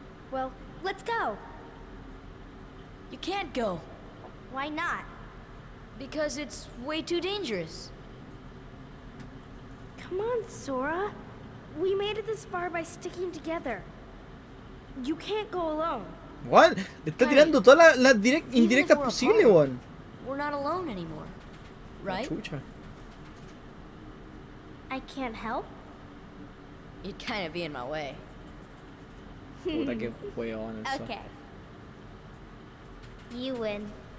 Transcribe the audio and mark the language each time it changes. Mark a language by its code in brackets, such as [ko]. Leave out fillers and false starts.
[en] Well, let's go. You can't go. Why not? Because it's way too dangerous. Come on, Sora. We made it this far by sticking together. You can't go alone. What? [es] Le está tirando todas las indirectas posibles, weón. [en] We're not alone anymore, right? [es] Chucha. [en] I can't help. You'd kind of be in my way. [es] Puta, qué weón eso. [en] Okay. You win.